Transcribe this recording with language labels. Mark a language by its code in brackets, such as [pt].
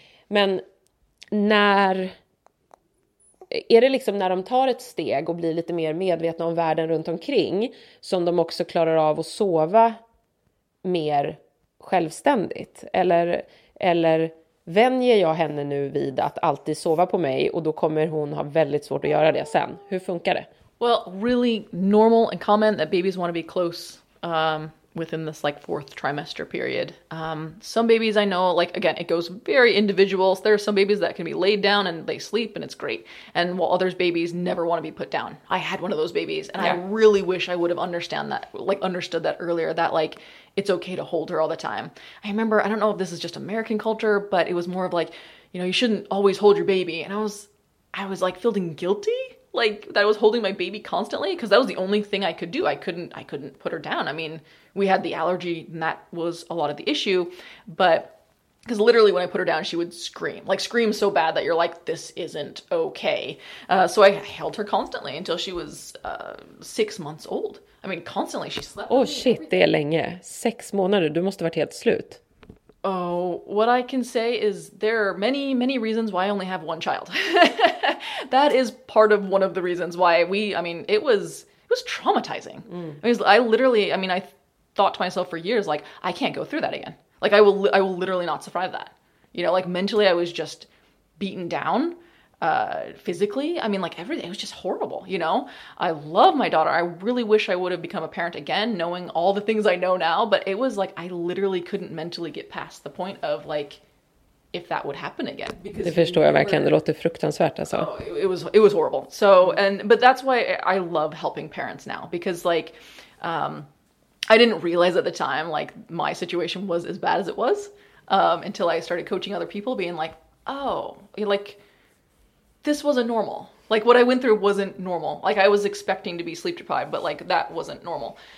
[sv] Men när är det liksom, när de tar ett steg och blir lite mer medvetna om världen runt omkring, som de också klarar av att sova mer självständigt, eller vänjer jag henne nu vid att alltid sova på mig, och då kommer hon ha väldigt svårt att göra det sen? Hur funkar det? [en] Well, really normal and common that babies want to be close within this like fourth trimester period. Some babies I know, like, again, it goes very individual. So there are some babies that can be laid down and they sleep and it's great. And while others, babies never want to be put down. I had one of those babies, and yeah, I really wish I would have understood that earlier, that like, it's okay to hold her all the time. I remember, I don't know if this is just American culture, but it was more of like, you know, you shouldn't always hold your baby. And I was like feeling guilty, like that I was holding my baby constantly, because that was the only thing I could do. I couldn't put her down. I mean, we had the allergy, and that was a lot of the issue. But Because literally when I put her down, she would scream. Like, scream so bad that you're like, this isn't okay. So I held her constantly until she was 6 months old. I mean, constantly she slept. Oh shit, [sv] det är länge. 6 månader, du måste varit helt slut. [en] Oh, what I can say is there are many, many reasons why I only have one child. That is part of one of the reasons why we, I mean, it was traumatizing. Mm. I thought to myself for years, like, I can't go through that again. Like, I will literally not survive that. You know, like, mentally I was just beaten down, physically. I mean, like, everything, it was just horrible, you know? I love my daughter. I really wish I would have become a parent again, knowing all the things I know now. But it was like, I literally couldn't mentally get past the point of, like, if that would happen again. Because [sv] det förstår jag verkligen. Det låter fruktansvärt, alltså. [en] It was horrible. So, but that's why I love helping parents now. Because, like, I didn't realize at the time, like, my situation was as bad as it was until I started coaching other people, being like, oh, like, this wasn't normal. Like, what I went through wasn't normal. Like, I was expecting to be sleep deprived, but, like, that wasn't normal.